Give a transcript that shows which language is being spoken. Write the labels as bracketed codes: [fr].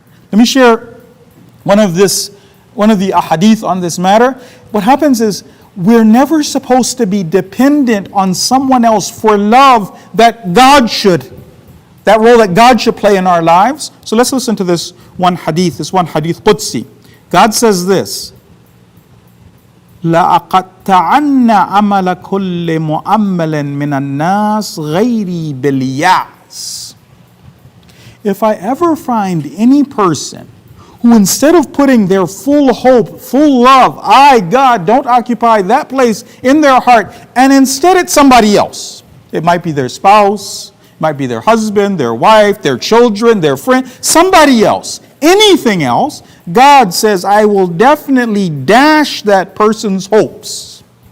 [en] Let me share one of the ahadith on this matter. What happens is, we're never supposed to be dependent on someone else for love that God should, that role that God should play in our lives. So let's listen to this one hadith Qudsi. God says this, [ar] لَأَقَطَّعَنَّ عَمَلَ كُلِّ مُؤَمَّلٍ مِنَ النَّاسِ غَيْرِي بِالْيَعْسِ. [en] If I ever find any person who instead of putting their full hope, full love, I, God, don't occupy that place in their heart, and instead it's somebody else. It might be their spouse, might be their husband, their wife, their children, their friend, somebody else, anything else, God says, I will definitely dash that person's hopes.